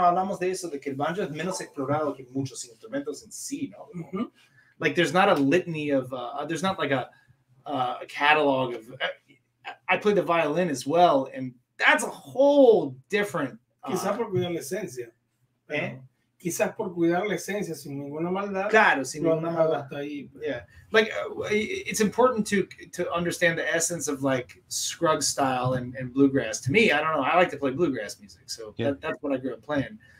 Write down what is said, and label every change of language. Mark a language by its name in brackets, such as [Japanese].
[Spanish] Hablamos de eso, de que el banjo es menos explorado que muchos instrumentos en sí, ¿no? Mm-hmm. [English] Like, there's not a litany of, there's not like a catalog of, I play the violin as well, and that's a whole different. [Spanish] Quizás por cuidar la esencia. ¿Eh? Quizás por cuidar la esencia, sin ninguna maldad. Claro, sin ninguna maldad. Hasta ahí. Yeah. [English] Like, it's important to understand the essence of, like, scrug style and bluegrass. To me, I don't know. I like to play bluegrass music, so yeah. That's what I grew up playing.